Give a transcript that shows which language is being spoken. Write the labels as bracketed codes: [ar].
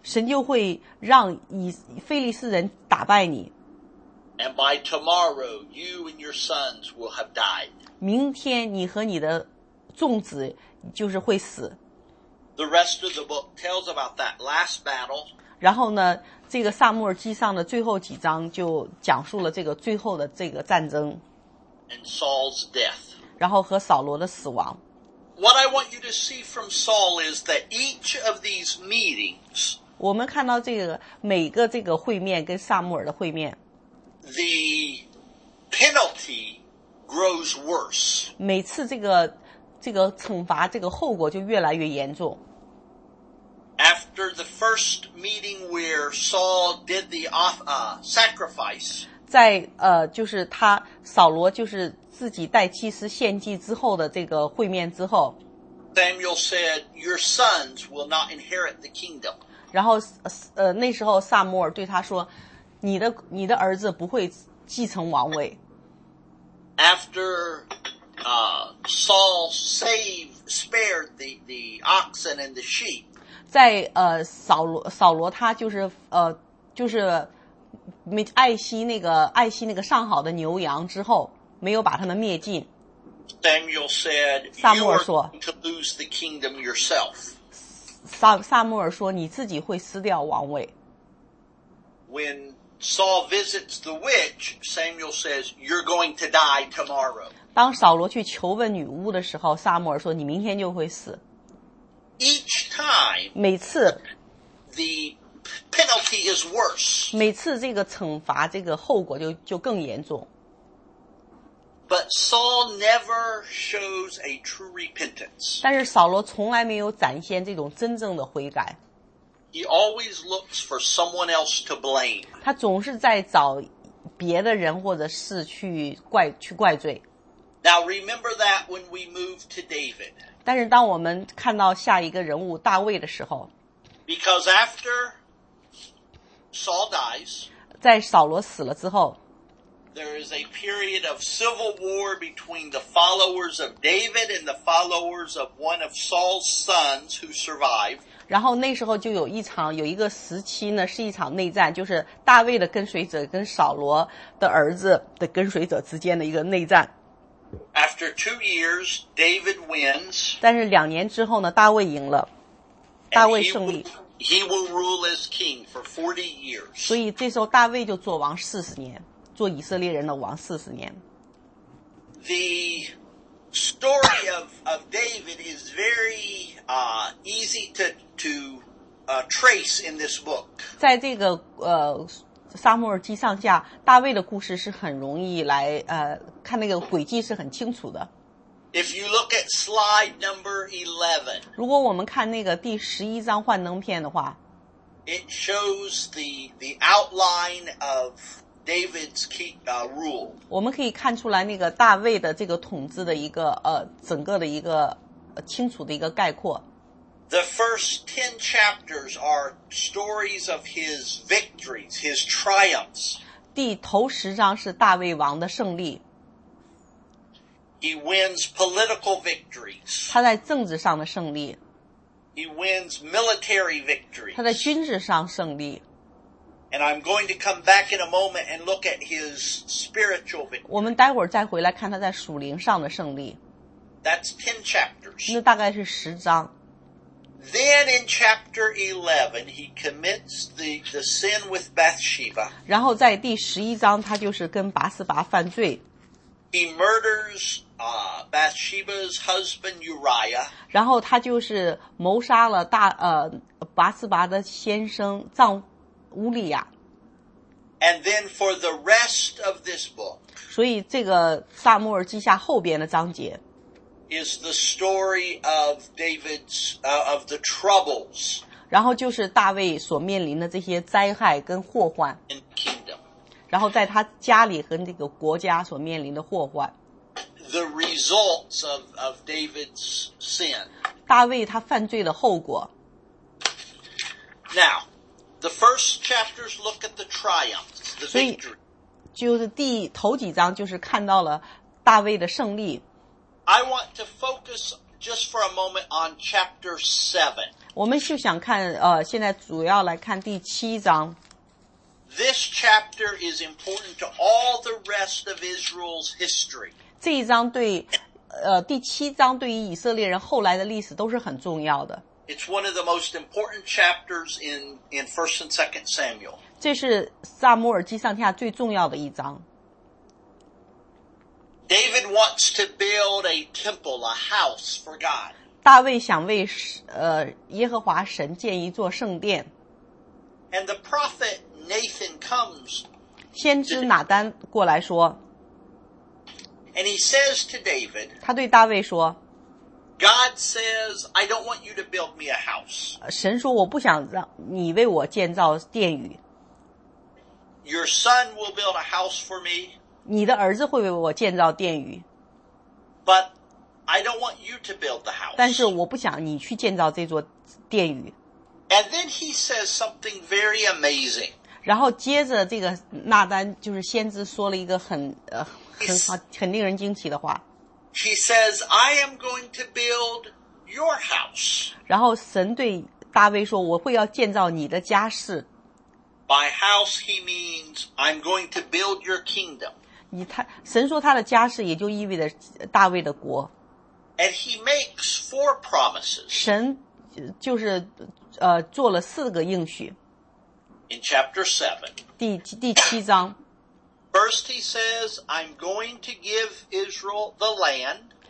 [zh] 神就会让非利士人打败你。 [en] And by tomorrow, you and your sons will have died. [zh] 明天你和你的众子就是会死。 [en] The rest of the book tells about that last battle. [zh] 然后呢，这个撒母耳记上的最后几章就讲述了这个最后的这个战争。 [en] And Saul's death. [zh] 然后和扫罗的死亡。 [en] What I want you to see from Saul is that each of these meetings. [zh] 我们看到这个每个这个会面跟撒母耳的会面。 [en] The penalty grows worse. [zh] 每次这个惩罚这个后果就越来越严重。 [en] After the first meeting where Saul did the sacrifice, [zh] 在就是他扫罗就是自己带祭司献祭之后的这个会面之后 [en] ，Samuel said, "Your sons will not inherit the kingdom." [zh] 然后那时候撒母耳对他说，你的儿子不会继承王位。 [en] After Saul spared the oxen and the sheep. [zh] 在扫罗他就是没爱惜那个上好的牛羊之后，没有把他们灭尽。 [en] Samuel said, [zh] 撒母耳说 [en] "To lose the kingdom yourself." [zh] 撒母耳说你自己会撕掉王位。 [en] When Saul visits the witch, Samuel says, "You're going to die tomorrow." [zh] 当扫罗去求问女巫的时候，撒母耳说：“你明天就会死。” [en] Each time, [zh] 每次 [en] the penalty is worse. [zh] 每次这个惩罚，这个后果就更严重。 [en] But Saul never shows a true repentance. [zh] 但是扫罗从来没有展现这种真正的悔改。 [en] He always looks for someone else to blame. [zh] 他总是在找别的人或者事去怪罪。 [en] Now remember that when we move to David. [zh] 但是当我们看到下一个人物大卫的时候。 [en] Because after Saul dies. [zh] 在扫罗死了之后。 [en] There is a period of civil war between the followers of David and the followers of one of Saul's sons who survived. [zh] 然后那时候就有一个时期呢，是一场内战，就是大卫的跟随者跟扫罗的儿子的跟随者之间的一个内战。 [en] After 2 years, David wins. [zh] 但是两年之后呢，大卫赢了，大卫胜利。 [en] He will rule as king for 40 years. [zh] 所以这时候大卫就做王40年，做以色列人的王40年。 [en] The story of David is very easy to trace in this book. [zh] 在这个撒母耳记上下，大卫的故事是很容易来看那个轨迹是很清楚的。 [en] If you look at slide number 11, [zh] 如果我们看那个第十一张幻灯片的话， [en] it shows the outline of David's rule. [zh] 我们可以看出来那个大卫的这个统治的一个整个的一个清楚的一个概括。 [en] The first 10 chapters are stories of his victories, his triumphs. [zh] 第头十章是大卫王的胜利。 [en] He wins political victories. [zh] 他在政治上的胜利。 [en] He wins military victories. [zh] 他在军事上胜利。 [en] And I'm going to come back in a moment and look at his spiritual victory. [zh] 我们待会儿再回来看他在属灵上的胜利。 [en] That's 10 chapters. [zh] 那大概是十章。 [en] Then in chapter 11, he commits the sin with Bathsheba. [zh] 然后在第十一章，他就是跟拔示巴犯罪。 [en] He murders Bathsheba's husband Uriah. [zh] 然后他就是谋杀了拔示巴的先生丈乌利亚。 [en] And then for the rest of this book. [zh] 所以这个撒母耳记下后边的章节。 [en] Is the story of David's, of the troubles. [zh] 然后就是大卫所面临的这些灾害跟祸患。 [en] In the kingdom. [zh] 然后在他家里和那个国家所面临的祸患。 [en] The results of David's sin. [zh] 大卫他犯罪的后果。 [en] Now, the first chapters look at the triumphs, the victory. [zh] 就是第头几章就是看到了大卫的胜利。 [en] I want to focus just for a moment on chapter 7. [zh] 我们就想看现在主要来看第七章。 [en] This chapter is important to all the rest of Israel's history. [zh] 这一章对第七章对于以色列人后来的历史都是很重要的。 [en] It's one of the most important chapters in 1st and 2nd Samuel. [zh] 这是撒母耳记上下最重要的一章。 [en] David wants to build a temple, a house for God. [zh] 大卫想为耶和华神建一座圣殿。 [en] And the prophet Nathan comes. [zh] 先知拿丹过来说。 [en] And he says to David. [zh] 他对大卫说。 [en] God says, I don't want you to build me a house. [zh] 神说我不想让你为我建造殿宇。 [en] Your son will build a house for me. [zh] 你的儿子会为我建造殿宇。 [en] But I don't want you to build the house. [zh] 但是我不想你去建造这座殿宇。 [en] And then he says something very amazing. [zh] 然后接着这个纳丹就是先知说了一个很令人惊奇的话。 [en] He says, I am going to build your house. [zh] 然后神对大卫说我会要建造你的家室。 [en] By house he means, I'm going to build your kingdom. [zh] 神说他的家世也就意味着大卫的国。 [en] And he makes four promises. [zh] 神就是做了四个应许。 [en] In chapter 7. [zh] 第七章。 [en] First he says, I'm going to give Israel the land.